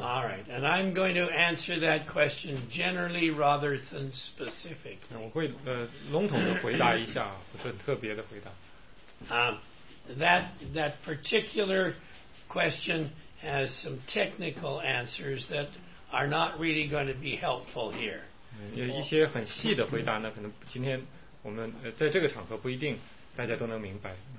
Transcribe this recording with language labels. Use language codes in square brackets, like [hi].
[en] All right, and I'm going to answer that question generally rather than specifically. [zh] 我会笼统的回答一下，不是特别的回答。 [en] That particular question has some technical answers that are not really going to be helpful here. [zh] 有一些很细的回答呢，可能今天。我们在这个场合不一定大家都能明白。